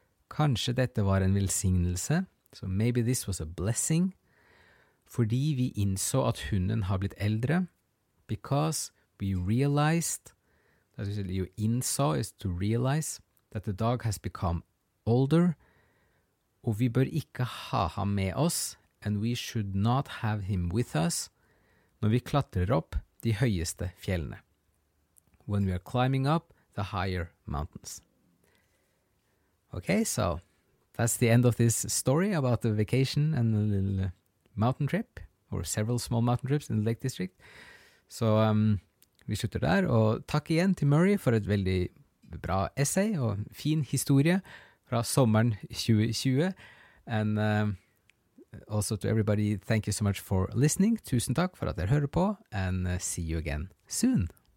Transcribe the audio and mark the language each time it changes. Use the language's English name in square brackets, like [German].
[Norwegian] Kanskje dette var en velsignelse, [English] so maybe this was a blessing, [Norwegian] fordi vi innså at hunden har blitt eldre, [English] because we realized, that is, you innså is to realize, that the dog has become older, [Norwegian] og vi bør ikke ha ham med oss, [English] and we should not have him with us, [Norwegian] når vi klatrer opp de høyeste fjellene, [English] when we are climbing up the higher mountains. Okay, so that's the end of this story about the vacation and the little mountain trip, or several small mountain trips in the Lake District. [Norwegian] So vi slutter der, og takk igjen til Murray for et veldig bra essay og fin historie fra sommeren 2020. [English] And also to everybody, thank you so much for listening. [Norwegian] Tusen takk for at dere hører på, [English] and see you again soon.